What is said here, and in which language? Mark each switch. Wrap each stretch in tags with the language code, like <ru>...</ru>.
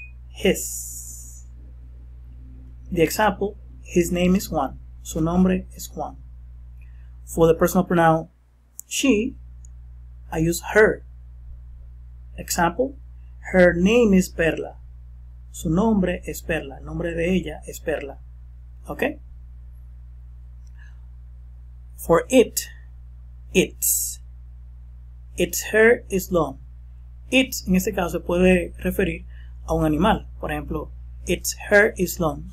<en>His. The example, his name is Juan.</en> <es>Su nombre es Juan.</es> <en>For the personal pronoun she, I use her. Example, her name is Perla.</en> <es>Su nombre es Perla. El nombre de ella es Perla. Okay?</es> <en>For it, it's. Its hair is long.</en> <es>It, en este caso, se puede referir a un animal. Por ejemplo,</es> <en>its hair is long.</en>